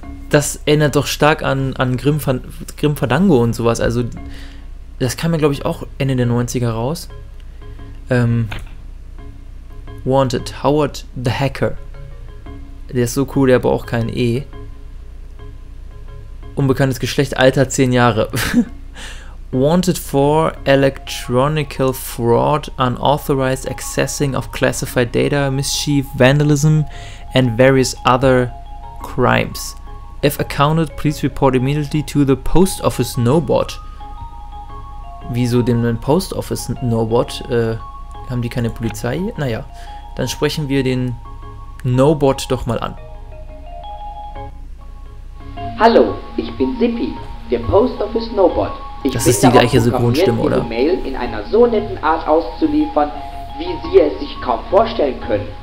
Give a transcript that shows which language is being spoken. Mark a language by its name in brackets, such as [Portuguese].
[German] das erinnert doch stark an Grim Fandango und sowas, also... Das kam ja, glaube ich, auch Ende der 90er raus. Wanted. Howard the Hacker. Der ist so cool, der braucht kein E. Unbekanntes Geschlecht, Alter 10 Jahre. [English] Wanted for electronical fraud, unauthorized accessing of classified data, mischief, vandalism and various other crimes. If accounted, please report immediately to the post office Nobot. [German] Wieso den Post Office Nobot? Haben die keine Polizei? Naja, dann sprechen wir den Nobot doch mal an. Hallo, ich bin Sippy, der Post Office Nobot. Ich das ist die gleiche Synchronstimme, oder? Ich bin darauf programmiert, diese Mail in einer so netten Art auszuliefern, wie Sie es sich kaum vorstellen können.